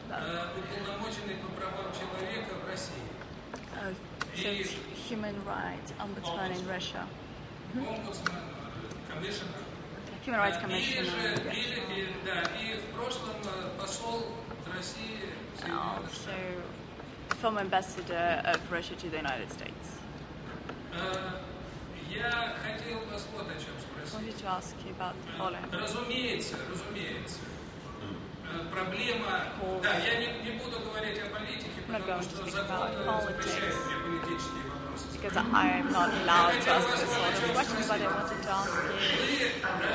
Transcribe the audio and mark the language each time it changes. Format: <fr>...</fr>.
<ru>Уполномоченный по правам человека в России.</ru> <en>Human rights ombudsman in Russia. Ombudsman, Human rights commissioner.</en> <ru>И в прошлом посол России Соединенных Штатов.</ru> <en>Former ambassador of Russia to the United States.</en> <ru>Я хотел вас вот о чем спросить. Разумеется. Проблема... Да, я не буду говорить о политике, потому что закон запрещает мне политические вопросы.</ru> <en>Because I am not allowed to ask this question, but I wanted to ask</en>